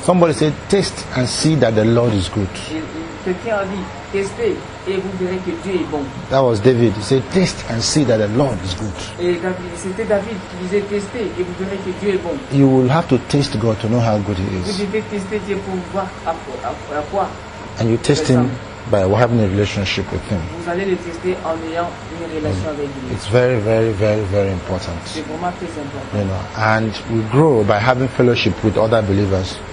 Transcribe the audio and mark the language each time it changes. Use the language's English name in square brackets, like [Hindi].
[English] Somebody said, taste and see that the Lord is good. [French] Quelqu'un a dit, testez. Et vous verrez que Dieu est bon. [English] That was David. He said, taste and see that the Lord is good. [French] C'était David qui disait, testez et vous verrez que Dieu est bon. [English] You will have to taste God to know how good he is. [French] Vous devez tester Dieu pour voir à quoi. [English] And you test him by having a relationship with him. [French] Vous allez le tester en ayant une relation avec lui. [English] It's very, very, very, very important. [French] C'est vraiment très important. [English] You know, and we grow by having fellowship with other believers.